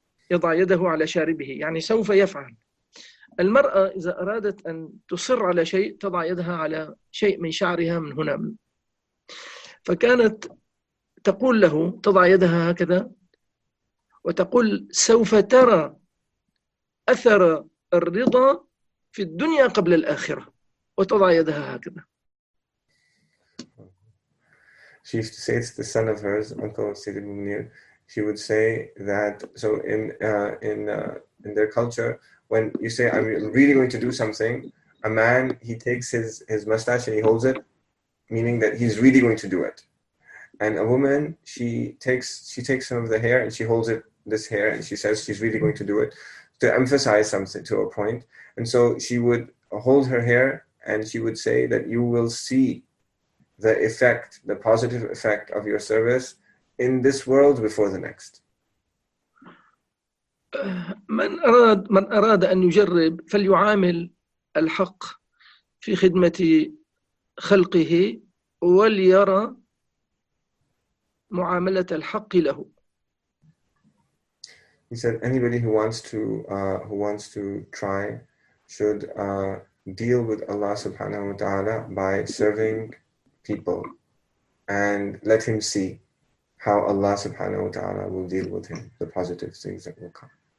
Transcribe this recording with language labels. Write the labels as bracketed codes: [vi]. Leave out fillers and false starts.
[ar] يضع يده على شاربه يعني سوف يفعل. المرأة إذا أرادت أن تصر على شيء تضع يدها على شيء من شعرها من هنا. فكانت تقول له تضع يدها هكذا وتقول سوف ترى أثر الرضا في الدنيا قبل الآخرة وتضع يدها هكذا. [en] She used to say it's the son of hers, uncle Sayyid ibn Munir. She would say that, so in their culture, when you say I'm really going to do something, a man, he takes his mustache and he holds it, meaning that he's really going to do it. And a woman, she takes some of the hair and she holds it, this hair, and she says she's really going to do it, to emphasize something to a point. And so she would hold her hair and she would say that you will see the effect, the positive effect of your service in this world before the next. [ar] من أراد أن يجرب فليعامل الحق في خدمة خلقه وليرى معاملة الحق له. [en] He said, anybody who wants to try should deal with Allah subhanahu wa ta'ala by serving people and let him see how Allah subhanahu wa ta'ala will deal with him, the positive things that will come.